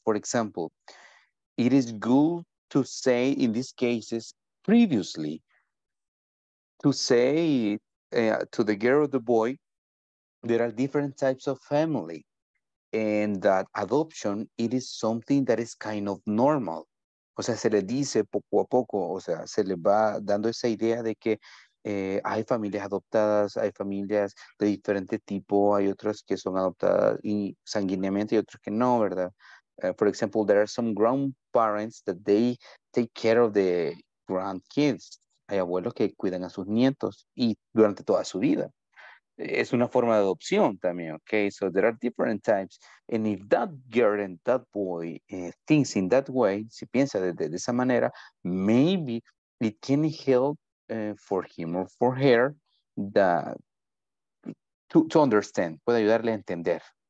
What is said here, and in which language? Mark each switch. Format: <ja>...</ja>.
<en>For example, it is good to say in these cases previously to say to the girl or the boy, there are different types of family and that adoption, it is something that is kind of normal.</en> <es>O sea, se le dice poco a poco, o sea, se le va dando esa idea de que hay familias adoptadas, hay familias de diferente tipo, hay otras que son adoptadas sanguíneamente y otras que no, ¿verdad?</es> <en>For example, there are some grandparents that they take care of the grandkids.</en> <es>Hay abuelos que cuidan a sus nietos y durante toda su vida. Es una forma de adopción también, okay?</es> <en>So there are different types. And if that girl and that boy thinks in that way,</en> <es>si piensa de esa manera,</es> <en>maybe it can help for him or for her, to understand,</en> <es>puede ayudarle a entender</es>